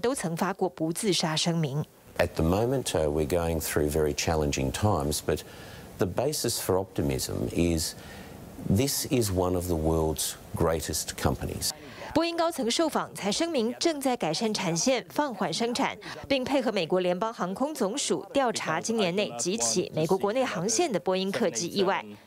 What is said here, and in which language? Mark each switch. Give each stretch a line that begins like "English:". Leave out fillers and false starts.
Chinese: 今年4月中，有40年经验的波音品管工程师萨勒普声称自己是冒着生命危险到华府出席听证会，指出波音产线组装有明显问题。3月底，一名吹哨者坐证前在车内轻生。4月底，波音主要零件供应商因为前品管经理也在发生检举后离奇突发感染性疾病死亡，年仅45岁。他们都曾发过不自杀声明。
English: At the moment, we're going through very challenging times, but the basis for optimism is this is one of the world's greatest companies.
Chinese: 波音高层受访才声明，正在改善产线，放缓生产，并配合美国联邦航空总署调查今年内几起美国国内航线的波音客机意外。